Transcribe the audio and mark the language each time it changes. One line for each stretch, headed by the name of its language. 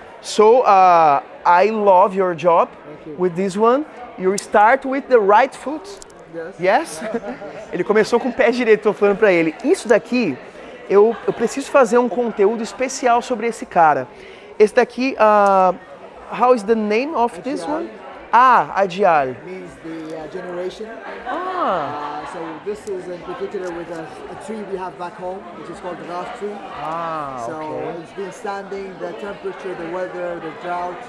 English: So I love your job with this one. You start with the right foot. Yes?
Portuguese: Ele começou com o pé direito, tô falando para ele. Isso daqui, eu preciso fazer um conteúdo especial sobre esse cara. Esse daqui,
English: how is the name of Adial. This one? Ah, Adial. Means the generation. Ah. So this is in particular with a tree we have back home, which is called the Ras tree. Ah, so okay. So it's been standing the temperature, the weather, the drought.